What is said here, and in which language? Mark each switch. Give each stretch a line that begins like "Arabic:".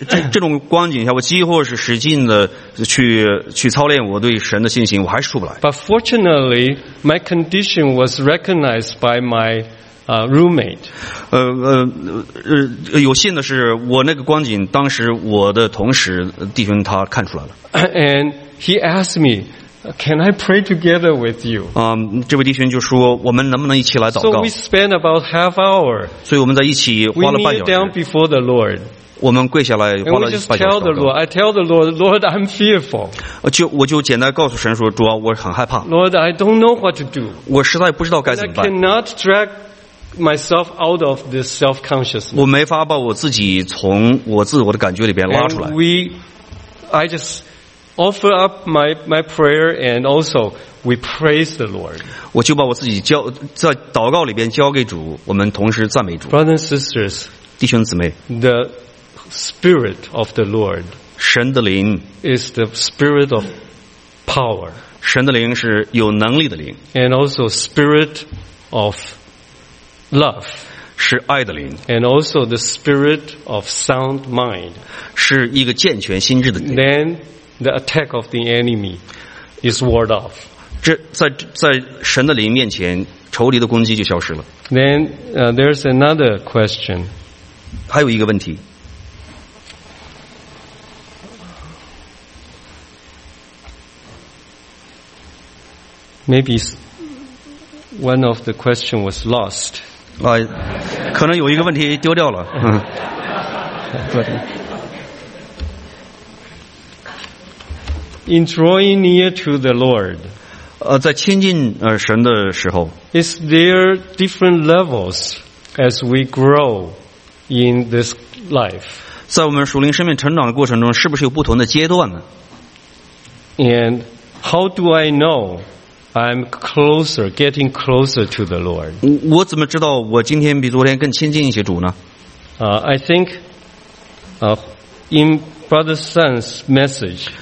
Chinese: 这种光景下，我几乎是使劲的。去操练我对神的信心，我还是出不来。
English: But fortunately, my condition was recognized by my roommate.
Chinese: 有幸的是，我那个光景，当时我的同事弟兄他看出来了。
English: And he asked me, "Can I pray together with you?"
Chinese: 这位弟兄就说，我们能不能一起来祷告
English: ？So we spent about half hour.
Chinese: 所以我们在一起花了半小时。
English: We kneel down before the Lord.
Chinese: 我们跪下来花了半小时祷告。
English: And we just tell the Lord, I tell the Lord, Lord, I'm fearful.
Chinese: 我就简单告诉神说，主啊，我很害怕。
English: Lord, I don't know what to do.
Chinese: 我实在不知道该怎么办。
English: I cannot drag myself out of this self-consciousness.
Chinese: 我没法把我自己从我自我的感觉里边拉出来。
English: And I just offer up my prayer and also we praise the Lord.
Chinese: 我就把我自己交在祷告里边交给主，我们同时赞美主。
English: Brothers and sisters,
Chinese: 弟兄姊妹
English: the Spirit of the Lord,
Chinese: 神的灵
English: is the spirit of power.
Chinese: 神的灵是有能力的灵
English: and also spirit of love
Chinese: 是爱的灵
English: and also the spirit of sound mind
Chinese: 是一个健全心智的灵
English: then the attack of the enemy is ward off
Chinese: 这在神的灵面前仇敌的攻击就消失了
English: then there's another question
Chinese: 还有一个问题
English: Maybe one of the question was lost.
Chinese: 可能有一个问题丢掉了。
English: In drawing near to the Lord,
Chinese: 在亲近神的时候
English: is there different levels as we grow in this life?
Chinese: 在我们属灵生命成长的过程中，是不是有不同的阶段呢
English: ？And how do I know? I'm closer, getting closer to the Lord.
Chinese: 我怎么知道我今天比昨天更亲近一些主呢？
English: I think, in Brother Sun's message,